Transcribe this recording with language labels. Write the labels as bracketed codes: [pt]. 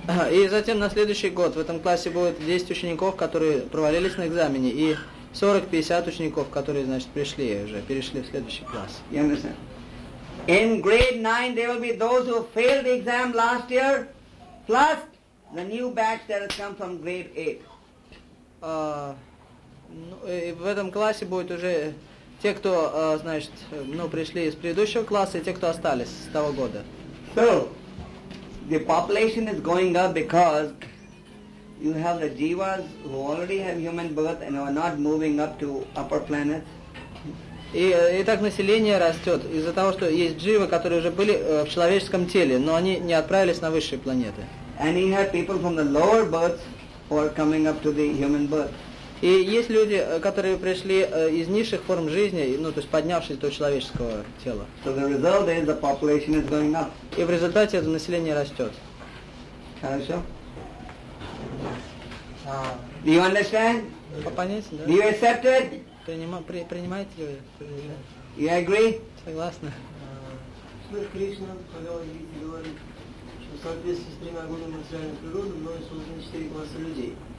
[ru] И затем на следующий год в этом классе будет 10 учеников, которые провалились на экзамене, и 40-50 учеников, которые, перешли в следующий класс. [en] You understand? In grade 9 there will be those who failed the exam last year, plus the new batch that has come from grade 8. [ru] И в этом классе будет уже те, кто, пришли из предыдущего класса, и те, кто остались с того года. [en] So, the population is going up because you have the jivas who already have human birth and are not moving up to upper planets. [ru] И так население растет из-за того, что есть дживы, которые уже были в человеческом теле, но они не отправились на высшие планеты. [en] And you have people from the lower births who are coming up to the human birth. [ru] И есть люди, которые пришли из низших форм жизни, ну, то есть поднявшись до человеческого тела. [en] So the result is the population is going up. [ru] И в результате это население растет. Хорошо? [en] Do you understand? [ru] Понятно, да? [en] Do you accept it? [ru] Принимаете ли вы? [en] You agree? [ru] Согласны. Кришна повел Гиту говорить, что в соответствии с тремя годами материальной природы мной созданы четыре класса людей.